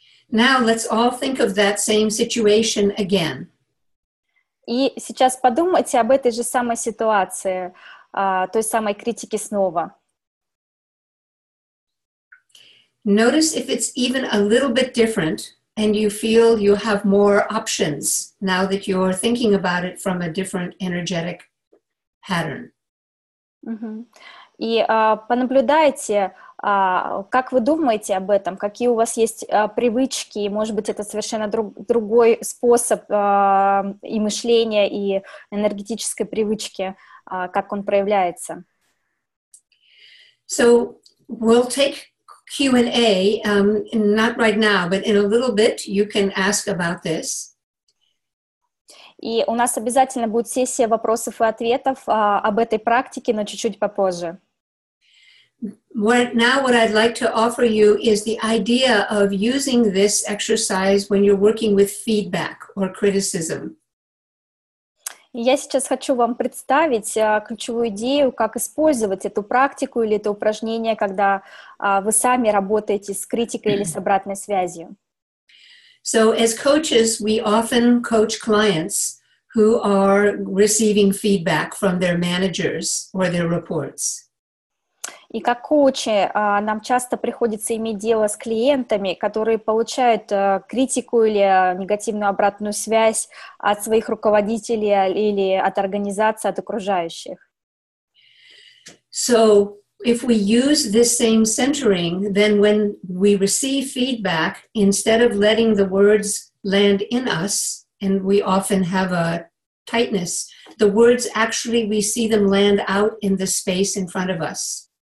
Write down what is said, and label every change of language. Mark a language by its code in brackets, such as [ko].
[en] Now let's all think of that same situation again. [ru] И сейчас подумайте об этой же самой ситуации, той самой критике снова. [en] Notice if it's even a little bit different and you feel you have more options now that you're thinking about it from a different energetic pattern. Mm-hmm. [ru] И понаблюдайте, как вы думаете об этом, какие у вас есть привычки, и, может быть, это совершенно другой способ и мышления, и энергетической привычки, как он проявляется. [en] So we'll take Q&A, not right now, but in a little bit you can ask about this. [ru] И у нас обязательно будет сессия вопросов и ответов об этой практике, но чуть-чуть попозже. [en] Now what I'd like to offer you is the idea of using this exercise when you're working with feedback or criticism. [ru] Я сейчас хочу вам представить ключевую идею, как использовать эту практику или это упражнение, когда вы сами работаете с критикой или с обратной связью. [en] So as coaches, we often coach clients who are receiving feedback from their managers or their reports. [ru] И как коучи, нам часто приходится иметь дело с клиентами, которые получают критику или негативную обратную связь от своих руководителей или от организации, от окружающих. [en] So, if we use this same centering, then when we receive feedback, instead of letting the words land in us, and we often have a tightness, the words actually, we see them land out in the space in front of us.